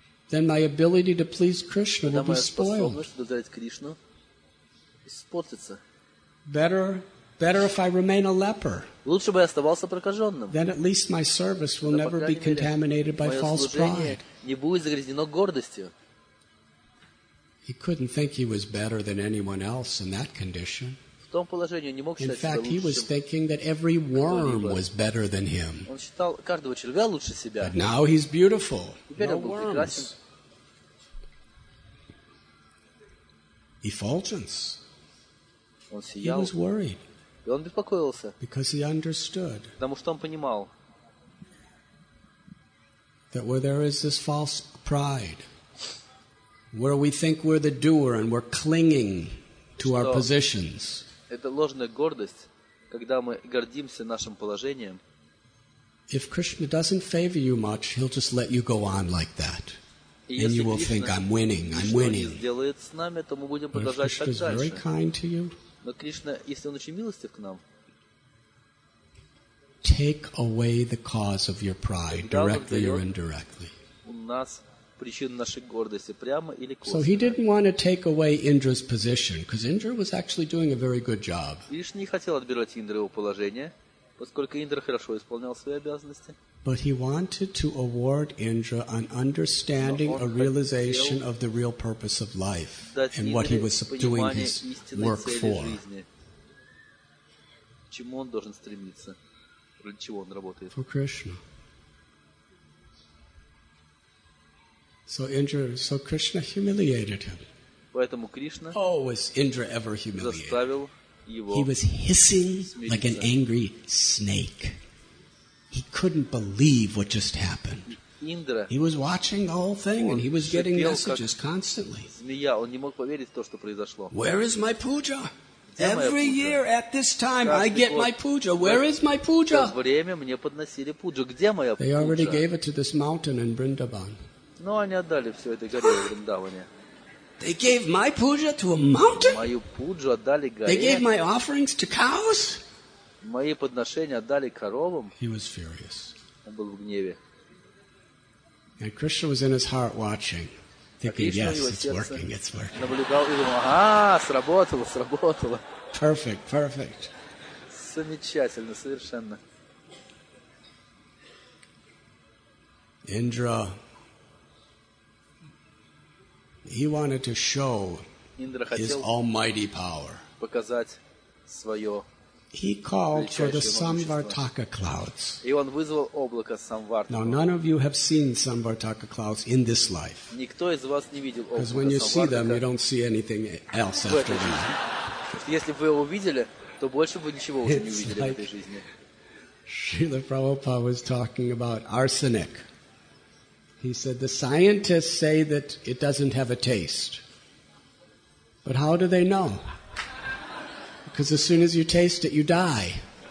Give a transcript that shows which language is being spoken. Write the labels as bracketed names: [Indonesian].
[English] Then my ability to please Krishna will be spoiled. [Russian] Моя способность удовлетворить Кришну испортится. [English] Better if I remain a leper. [Russian] Лучше бы я оставался прокаженным. [English] Then at least my service will never be contaminated by false pride. [Russian] Не будет загрязнено гордостью. [English] He couldn't think he was better than anyone else in that condition. [Russian] том положении, он не мог считать себя лучше, чем кто-либо. [English] Thinking that every worm was better than him. [Russian] Он считал каждого червя лучше себя. [English] But now he's beautiful. [Russian] Теперь он был прекрасен. [English] Effulgence. [Russian] Он сиял. [English] He was worried. [Russian] И он беспокоился. [English] Because he understood. [Russian] Потому что он понимал. [English] That where there is this false pride, where we think we're the doer and we're clinging to our positions. [Russian] Это ложная гордость, когда мы гордимся нашим положением. [English] If Krishna doesn't favor you much, he'll just let you go on like that. And you will think I'm winning, I'm winning. [Russian] Если Кришна сделает с нами, то мы будем продолжать так дальше. [English] But if Krishna is very kind to you, [Russian] но Кришна, если он очень милостив к нам, [English] take away the cause of your pride, directly or indirectly. [Russian] У нас причина нашей гордости, прямо или косвенно. [English] So he didn't want to take away Indra's position, because Indra was actually doing a very good job. [Russian] Кришна не хотел отбирать Индры его положение, поскольку Индра хорошо исполнял свои обязанности. [English] But he wanted to award Indra an understanding, a realization of the real purpose of life and what he was doing his work for. [Russian] Чему он должен стремиться? Для чего он работает? [English] For Krishna. So Krishna humiliated him. [Russian] Поэтому Кришна. [English] Oh, was Indra ever humiliated? [Russian] Заставил его. [English] He was hissing like an angry snake. He couldn't believe what just happened. Indra. He was watching the whole thing and he was getting messages constantly. [Russian] Змея, он не мог поверить то, что произошло. [English] Where is my puja? Every year at this time I get my puja. Where is my puja? [Russian] В это время мне подносили пуджу. Где моя пуджа? [English] They already gave it to this mountain in Vrindavan. [Russian] Но они отдали всё этой горе в Вриндаване. [English] They gave my puja to a mountain? [Russian] Мою пуджу отдали горе. [English] They gave my offerings to cows? [Russian] Мои подношения отдали коровам. [English] He was furious. [Russian] Он был в гневе. [English] And Krishna was in his heart watching, thinking, yes, it's working, it's working. [Russian] Наблюдал и думал, сработало, сработало. [English] Perfect, perfect. [Russian] Замечательно, совершенно. [English] Indra, he wanted to show his almighty power. [Russian] Показать свое. [English] He called for the Samvartaka clouds. [Russian] И он вызвал облако Самвартака. [English] Now none of you have seen Samvartaka clouds in this life. [Russian] Никто из вас не видел облако. [English] Because when you see them, you don't see anything else after that. [Russian] Если вы его увидели, то больше вы ничего уже не увидели в этой жизни. [English] Srila Prabhupada was talking about arsenic. He said the scientists say that it doesn't have a taste. But how do they know? Because as soon as you taste it, you die.